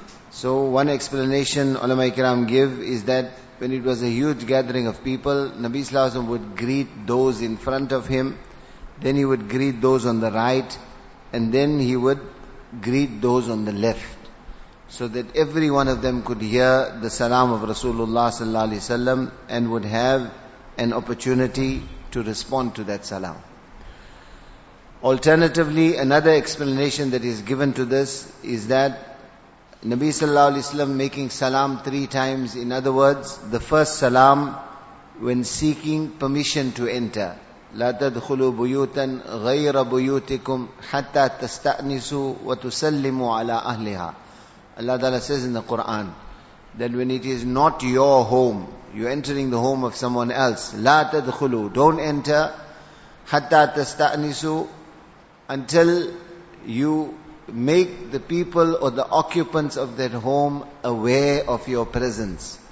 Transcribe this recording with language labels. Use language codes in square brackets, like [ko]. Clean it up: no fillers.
[en] So one explanation ulama ikram give is that when it was a huge gathering of people, Nabi sallallahu alaihi wasallam would greet those in front of him, then he would greet those on the right, and then he would greet those on the left, so that every one of them could hear the salam of Rasulullah sallallahu alaihi wasallam and would have an opportunity to respond to that salam. Alternatively, another explanation that is given to this is that Nabi sallallahu alaihi wasallam making salam three times, in other words, the first salam when seeking permission to enter. [ar] لا تدخلوا بيوتا غير بيوتكم حتى تستأنسوا وتسلموا على أهلها. [en] Allah Ta'ala says in the Quran that when it is not your home, you're entering the home of someone else. [ar] لا تدخلوا, [en] don't enter, [ar] حتى تستأنسوا, [en] until you make the people or the occupants of that home aware of your presence.